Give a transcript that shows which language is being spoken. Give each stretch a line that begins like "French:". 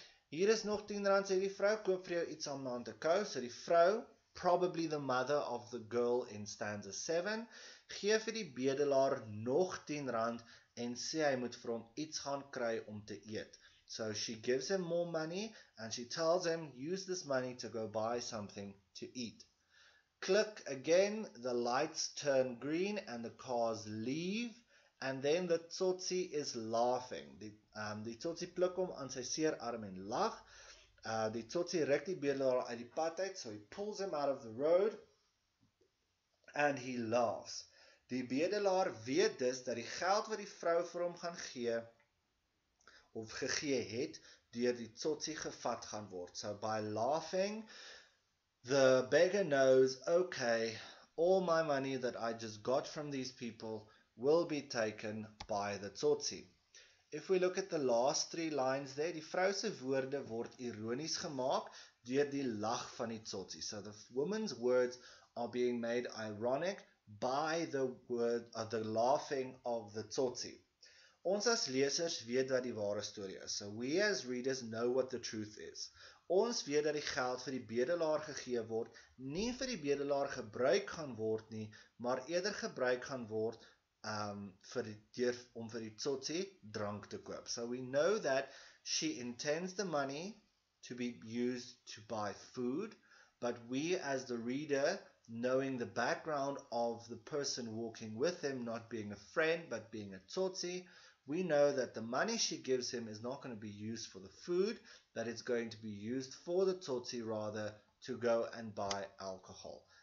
Afrikaans: Hier is nog 10 rand, sê die vrou, koop vir jou iets om aan te kou. So die vrou,
English: probably the mother of the girl in stanza 7,
Afrikaans: gee vir die bedelaar nog 10 rand en sê hy moet vir hom iets gaan kry om te eet.
English: So she gives him more money and she tells him, use this money to go buy something to eat. Click again, the lights turn green and the cars leave. And then the tsotsi is laughing.
Afrikaans: Die tsotsi pluk hom aan sy seer arm en lag. Die tsotsi ruk die bedelaar uit die pad uit,
English: so he pulls him out of the road and he laughs.
Afrikaans: Die bedelaar weet dus dat die geld wat die vrou vir hom gaan gee, of gegee het, deur die tsotsi gevat gaan word.
English: So by laughing, the beggar knows, okay, all my money that I just got from these people will be taken by the tsotsi. If we look at the last three lines there,
Afrikaans: die vrou se woorde word ironies gemaak deur die lag van die tsotsi.
English: So the woman's words are being made ironic by the word of the laughing of the tsotsi.
Afrikaans: Ons as lesers weet wat die ware storie is.
English: So we as readers know what the truth is.
Afrikaans: Ons weet dat die geld vir die bedelaar gegee word, nie vir die bedelaar gebruik gaan word nie, maar eerder gebruik gaan word om vir die tsotsi drank te koop.
English: So we know that she intends the money to be used to buy food, but we as the reader, knowing the background of the person walking with him, not being a friend but being a tsotsi, we know that the money she gives him is not going to be used for the food, that it's going to be used for the tsotsi rather to go and buy alcohol.